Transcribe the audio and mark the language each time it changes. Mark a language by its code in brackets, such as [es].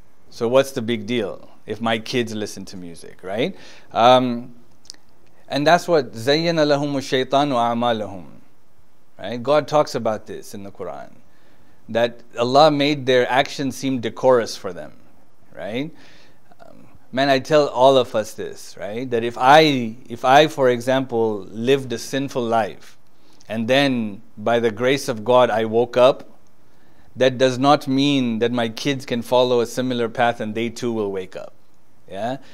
[en] So what's the big deal if my kids listen to music, right? And that's what [ar] زَيَّنَ لَهُمُ الشَّيْطَانُ وَعَمَالَهُمْ. [en] Right? God talks about this in the Quran, that Allah made their actions seem decorous for them, right? Man, I tell all of us this, right? That if I, for example, lived a sinful life, and then by the grace of God, I woke up, that does not mean that my kids can follow a similar path and they too will wake up. Yeah?